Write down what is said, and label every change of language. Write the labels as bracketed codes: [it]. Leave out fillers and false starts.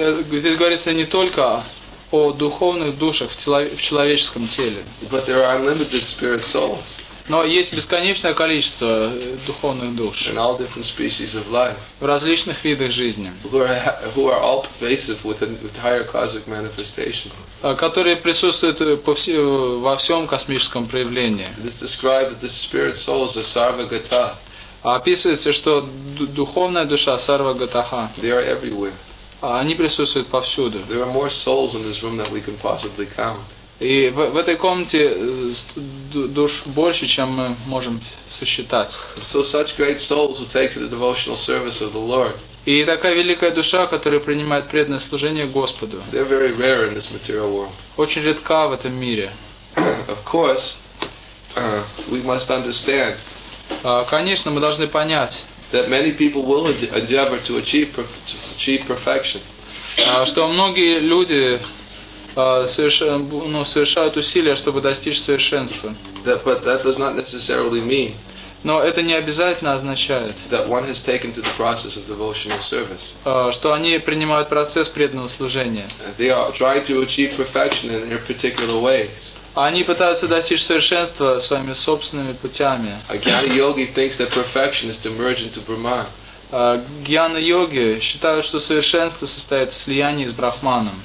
[ru] Здесь говорится не только о духовных душах в человеческом теле. [en] But there are unlimited spirit souls. [ru] Но есть бесконечное количество духовных душ. [en] In all different species of life. [ru] В различных видах жизни. [en] Who are all pervasive with an entire cosmic manifestation. [ru] Которые присутствуют во всем космическом проявлении. [en] It is described that the spirit souls are sarva gata. [ru] Описывается, что духовная душа сарва гатаха. [en] They are everywhere. [ru] Они присутствуют повсюду. [en] There are more souls in this room than we can possibly count. [ru] И в этой комнате душ больше, чем мы можем сосчитать. [en] So such great souls who take to the devotional service of the Lord. [ru] И такая великая душа, которая принимает преданное служение Господу. [en] They are very rare in this material world. [ru] Очень редка в этом мире. [en] Of course, we must understand. [ru] Конечно, мы должны понять, [en] that many people will endeavor to achieve perfection. [ru] Что многие люди совершают усилия, чтобы достичь совершенства. [en] But that does not necessarily mean. [ru] Но это не обязательно означает, [en] that one has taken to the process of devotional service. [ru] Что они принимают процесс преданного служения. [en] They are trying to achieve perfection in their particular ways. [ru] Они пытаются достичь совершенства своими собственными путями. [en] Gyana-yogi thinks that perfection is to merge into Brahman. [ru] Гьяна-йоги считают, что совершенство состоит в слиянии с Брахманом.